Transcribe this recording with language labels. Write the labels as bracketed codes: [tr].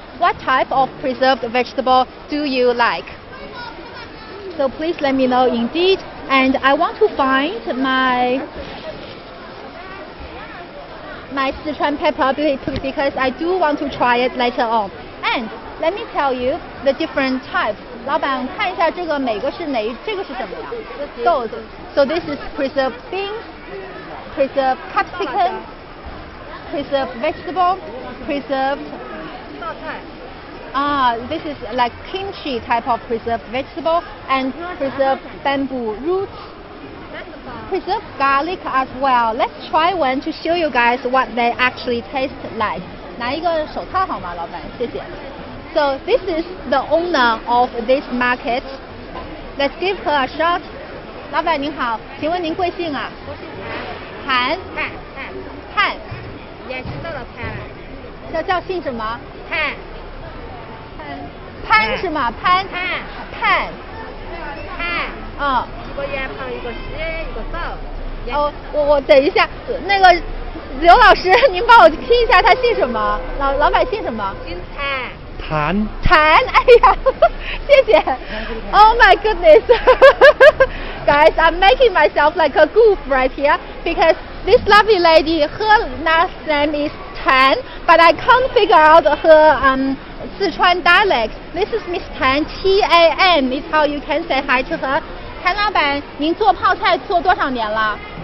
[en] What type of preserved vegetable do you like? So please let me know indeed. And I want to find my Sichuan pepper, because I do want to try it later on. And let me tell you the different types. [zh] 老板看一下这个美国是哪一个是什么呀? [en] Those. So this is preserved beans, preserved capsicum, preserved vegetable, preserved... this is like kimchi type of preserved vegetable, and preserved bamboo roots, preserved garlic as well. Let's try one to show you guys what they actually taste like. [zh] 拿一个手套好吗，老板？谢谢。 [en] So this is the owner of this market. Let's give her a shot. [zh] 老板您好，请问您贵姓啊？我姓韩。韩。韩。也知道了韩了。叫叫姓什么？韩。潘是吗？潘潘潘潘啊、嗯，一个圆旁，一个石，一个豆。哦，我等一下，那个刘老师，您帮我听一下，他姓什么？老板姓什么？姓谭。谭。谭，哎呀，谢谢。 [en] Oh my goodness, guys, I'm making myself like a goof right here because this lovely lady, her last name is Tan, but I can't figure out her Sichuan dialect. This is Miss Tan, T-A-N is how you can say hi to her. [zh] 谭老板，您做泡菜做多少年了？